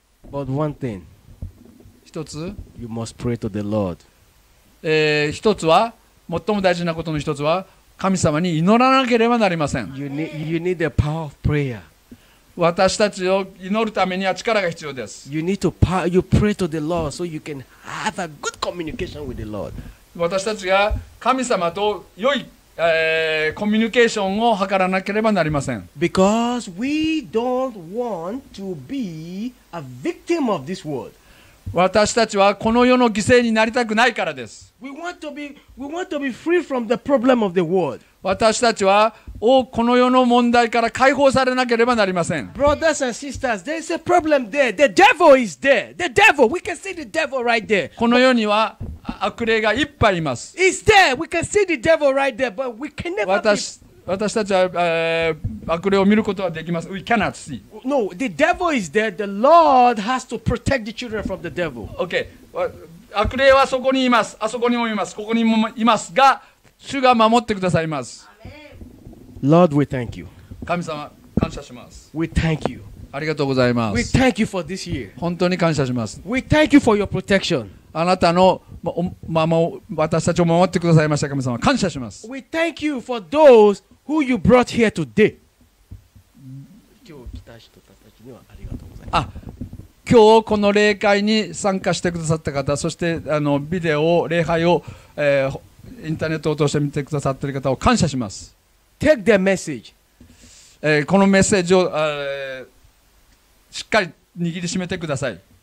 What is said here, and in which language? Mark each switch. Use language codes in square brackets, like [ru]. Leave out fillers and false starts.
[en] But one thing. [ja] 一つ。 [en] You must pray to the Lord. [ja] 一つは、最も大事なことの一つは、神様に祈らなければなりません。 [en] You need the power of prayer. [ja] 私たちを祈るためには力が必要です。 [en] You need to pray to the Lord so you can have a good communication with the Lord. [ja] 私たちが神様と良い、コミュニケーションを図らなければなりません。 [en] Because we don't want to be a victim of this world. [ja] 私たちはこの世の犠牲になりたくないからです。 [en] We want to be free from the problem of the world. [ja] 私たちはこの世の問題から解放されなければなりません。 [en] Brothers and sisters, there is a problem there. The devil is there. The devil, we can see the devil right there. [ja] この世には悪霊がいっぱいいます。 [en] It's there. We can see the devil right there, but we can never be... [ja] 私たちは、悪霊を見ることはできます。 [en] We cannot see. No, the devil is there. The Lord has to protect the children from the devil. [ja] Okay. 悪霊はそこにいます。あそこにもいます。ここにもいますが、主が守ってくださいます。 [en] Lord, we thank you. [ja] 神様、感謝します。 [en] We thank you. [ja] ありがとうございます。 [en] We thank you for this year. [ja] 本当に感謝します。 [en] We thank you for your protection. [ja] あなたの私たちを守ってくださいました、神様。感謝します。 [en] We thank you for those who you brought here today. [ja] 今日来た人たちにはありがとうございます。今日この礼拝に参加してくださった方、そしてビデオ、礼拝を、インターネットを通して見てくださっている方を感謝します。 [en] Take the message. [ja] このメッセージを、しっかり握りしめてください。